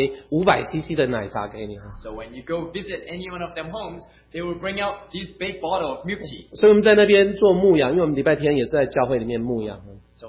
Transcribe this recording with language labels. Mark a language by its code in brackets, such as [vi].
[zh] 然后你去那边的时候呢，就是常常你去做探访的时候呢，你去一家哈，然后他马上就端出一大杯500cc的奶茶给你。So [en] when you go visit any one of them homes, they will bring out this big bottle of milk tea. [zh] 所以我们在那边做牧养，因为我们礼拜天也是在教会里面牧养。So